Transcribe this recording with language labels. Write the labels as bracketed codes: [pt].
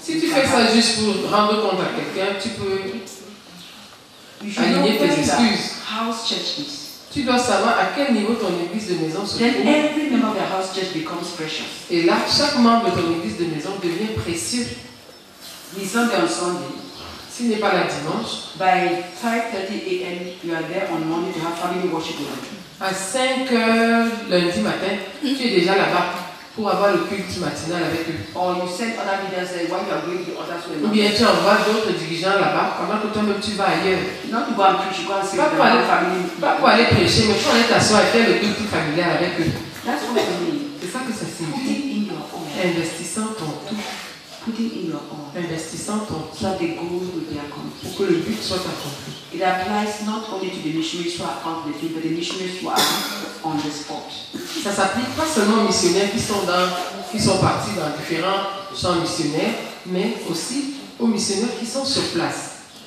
[fr] Si tu fais ça juste pour rendre compte à quelqu'un, tu peux. Aligner tes excuses. Tu dois savoir à quel niveau ton église de maison se trouve. [en] Every member of the house church becomes precious. [fr] Et là, chaque membre de ton église de maison devient précieux. [en] Sunday on Sunday. [fr] S'il n'est pas là dimanche. [en] By 5:30 a.m. you are there on Monday to have family worship. [fr] À 5h lundi matin, tu es déjà là-bas pour avoir le culte matinal avec eux. [en] Or you send other leaders there while you are going to the others. [fr] Ou bien tu envoies d'autres dirigeants là-bas pendant que toi-même tu vas ailleurs. Non, tu vas en plus, tu vas aussi pas pour aller famille. Pas pour aller prêcher, mais tu vas aller t'asseoir et faire le culte familial avec eux. [en] That's what I mean. [fr] C'est ça que ça signifie. [en] Putting in your own. [fr] Investissant ton tout. [en] Putting in your own. [fr] Investissant ton [en] tout. So the goal will be accomplished. [fr] Pour que le but soit accompli. [en] It applies not only to the missionaries who are out there, but the missionaries who are on the spot. [fr] Ça s'applique pas seulement aux missionnaires qui sont partis dans différents champs missionnaires, mais aussi aux missionnaires qui sont sur place.